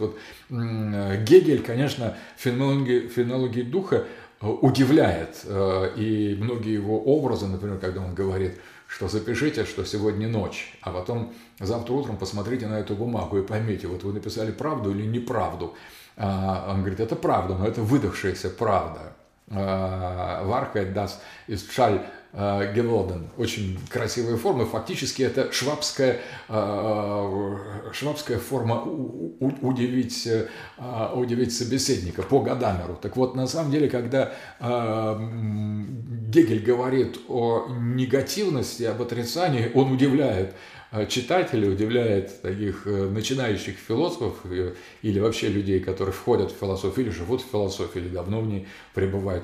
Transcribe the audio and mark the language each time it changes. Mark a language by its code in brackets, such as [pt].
[ru] Вот Гегель, конечно, фенологии духа удивляет. И многие его образы, например, когда он говорит, что запишите, что сегодня ночь, а потом завтра утром посмотрите на эту бумагу и поймите, вот вы написали правду или неправду. Он говорит, это правда, но это выдохшаяся правда. [de] Wahrheit das ist schall geworden. [ru] Очень красивые формы. Фактически это швабская форма удивить собеседника по Гадамеру. Так вот, на самом деле, когда Гегель говорит о негативности, об отрицании, он удивляет читатели, удивляет таких начинающих философов или вообще людей, которые входят в философию или живут в философии, или давно в ней пребывают.